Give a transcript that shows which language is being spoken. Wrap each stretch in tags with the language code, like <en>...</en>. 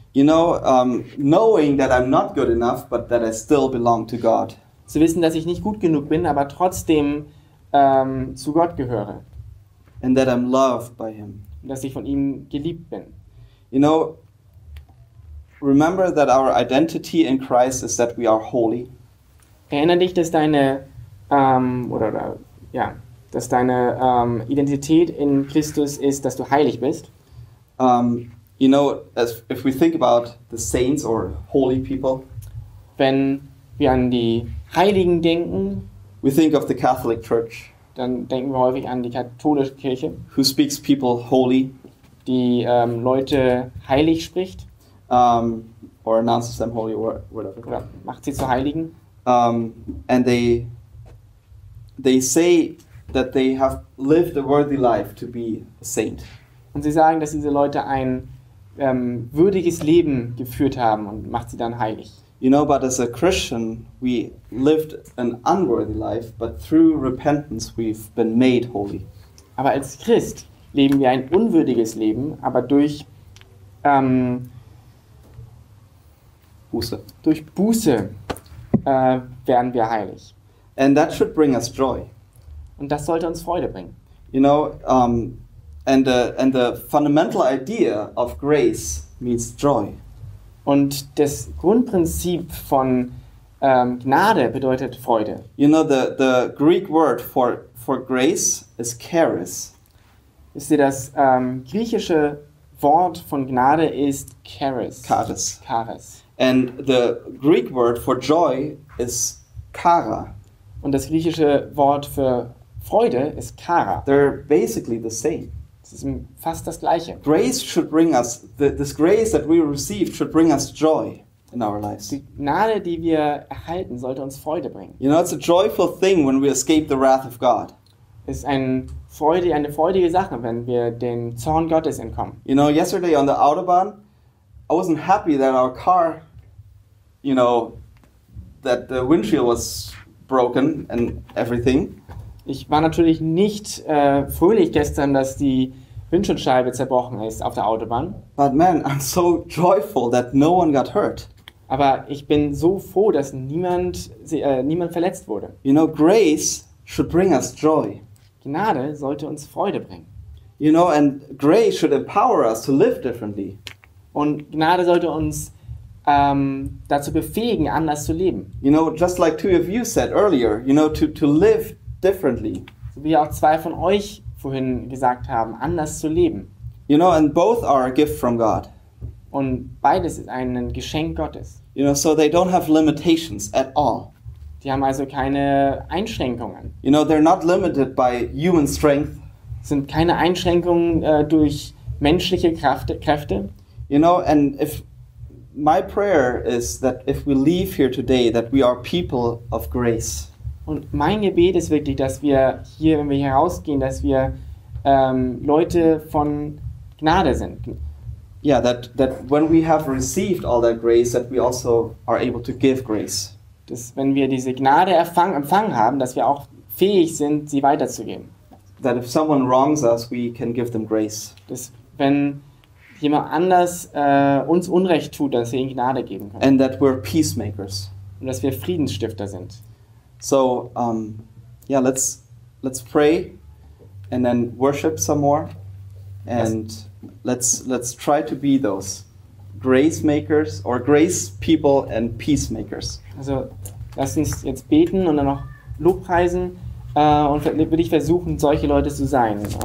<en>You know, knowing that I'm not good enough, but that I still belong to God.</en> <de>Zu wissen, dass ich nicht gut genug bin, aber trotzdem zu Gott gehöre.</de> <en>And that I'm loved by Him.</en> <de>Und dass ich von ihm geliebt bin.</de> <en>You know. Remember that our identity in Christ is that we are holy.</en> <de>Erinnere dich, dass deine Identität in Christus ist, dass du heilig bist.</de> <en>You know, if we think about the saints or holy people,</en> <de>wenn wir an die Heiligen denken,</de> <en>we think of the Catholic Church.</en> <de>Dann denken wir häufig an die katholische Kirche,</de> <en>who speaks people holy,</en> <de>die Leute heilig spricht.</de> <en>Or announces them holy, or whatever.</en> <de>Oder macht sie zu Heiligen.</de> <en>And they say that they have lived a worthy life to be a saint.</en> <de>Und sie sagen, dass diese Leute ein würdiges Leben geführt haben und macht sie dann heilig.</de> <en>You know, but as a Christian, we lived an unworthy life, but through repentance we've been made holy.</en> <de>Aber als Christ leben wir ein unwürdiges Leben, aber durch Buße. Durch Buße werden wir heilig.</de> <en>And that should bring us joy.</en> <de>Und das sollte uns Freude bringen.</de> <en>You know, And the fundamental idea of grace means joy.</en> <de>Und das Grundprinzip von Gnade bedeutet Freude.</de> <en>You know, the Greek word for grace is charis.</en> <de>Wisst ihr, das griechische Wort von Gnade ist charis. Charis. Charis.</de> <en>And the Greek word for joy is chara.</en> <de>Und das griechische Wort für Freude ist chara.</de> <en>They're basically the same.</en> <de>Es ist fast das gleiche.</de> <en>Grace should bring us this grace that we received should bring us joy in our lives.</en> <de>Die Gnade, die wir erhalten, sollte uns Freude bringen.</de> <en>You know, it's a joyful thing when we escape the wrath of God.</en> <de>Es ist eine freudige Sache, wenn wir dem Zorn Gottes entkommen.</de> <en>You know, yesterday on the Autobahn, I wasn't happy that our car, you know, that the windshield was broken and everything.</en> <de>Ich war natürlich nicht fröhlich gestern, dass die Windschutzscheibe zerbrochen ist auf der Autobahn.</de> <en>But man, I'm so joyful that no one got hurt.</en> <de>Aber ich bin so froh, dass niemand verletzt wurde.</de> <en>You know, grace should bring us joy.</en> <de>Gnade sollte uns Freude bringen.</de> <en>You know, and grace should empower us to live differently.</en> <de>Und Gnade sollte uns dazu befähigen, anders zu leben.</de> <en>You know, just like two of you said earlier, you know, to live differently.</en> <de>So wie auch zwei von euch vorhin gesagt haben, anders zu leben.</de> <en>You know, and both are a gift from God.</en> <de>Und beides ist ein Geschenk Gottes.</de> <en>You know, so they don't have limitations at all.</en> <de>Die haben also keine Einschränkungen.</de> <en>You know, they're not limited by human strength.</en> <de>Sind keine Einschränkungen durch menschliche Kräfte.</de> <en>You know, and if my prayer is that if we leave here today, that we are people of grace.</en> <de>Und mein Gebet ist wirklich, dass wir hier, wenn wir hier rausgehen, dass wir Leute von Gnade sind.</de> <en>Yeah, that when we have received all that grace, that we also are able to give grace.</en> <de>Dass wenn wir diese Gnade empfangen haben, dass wir auch fähig sind, sie weiterzugeben.</de> <en>That if someone wrongs us, we can give them grace.</en> <de>Dass wenn jemand anders uns Unrecht tut, dass wir ihnen Gnade geben können.</de> <en>And that we're peacemakers.</en> <de>Und dass wir Friedensstifter sind.</de> <en>So, yeah, let's pray and then worship some more and let's try to be those grace makers or grace people and peacemakers.</en> <de>Also, lass uns jetzt beten und dann noch lobpreisen und will ich versuchen, solche Leute zu sein.</de>